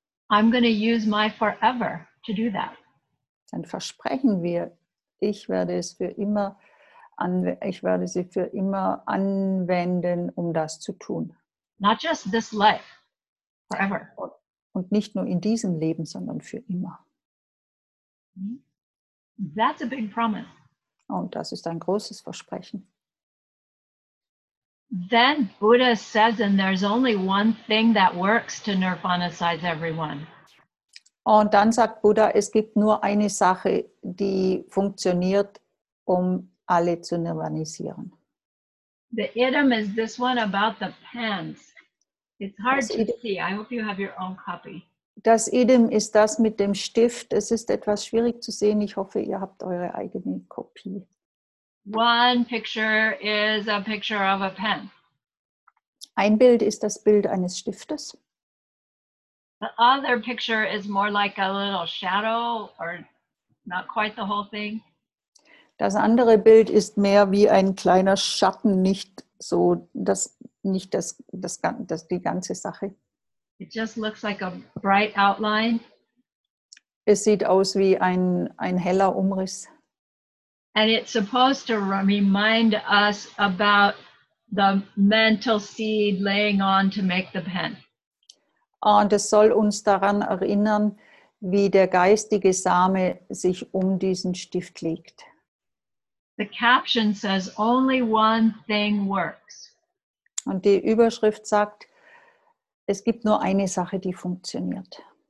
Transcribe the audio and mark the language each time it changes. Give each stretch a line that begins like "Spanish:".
English: I'm going to use my forever to do that.
German: Dann versprechen wir, ich werde sie für immer anwenden, um das zu tun.
English: Not just this life, forever.
German: Und nicht nur in diesem Leben, sondern für immer.
English: That's a big promise.
German: Und das ist ein großes Versprechen.
English: Then Buddha says, and there's only one thing that works to nirvanize everyone.
German: Und dann sagt Buddha, es gibt nur eine Sache, die funktioniert, um alle zu nirvanisieren.
English: The item is this one about the pants. It's hard to see. I hope you have your own copy.
German: Das Idem ist das mit dem Stift. Es ist etwas schwierig zu sehen. Ich hoffe, ihr habt eure eigene Kopie.
English: One picture is a picture of a pen.
German: Ein Bild ist das Bild eines Stiftes.
English: The other picture is more like a little shadow or not quite the whole thing.
German: Das andere Bild ist mehr wie ein kleiner Schatten, nicht so das, nicht das, das, das, die ganze Sache.
English: It just looks like a bright outline.
German: Es sieht aus wie ein heller Umriss.
English: And it's supposed to remind us about the mental seed laying on to make the pen.
German: Und es soll uns daran erinnern, wie der geistige Same sich um diesen Stift legt.
English: The caption says only one thing works.
German: Und die Überschrift sagt, es gibt nur eine Sache, die funktioniert.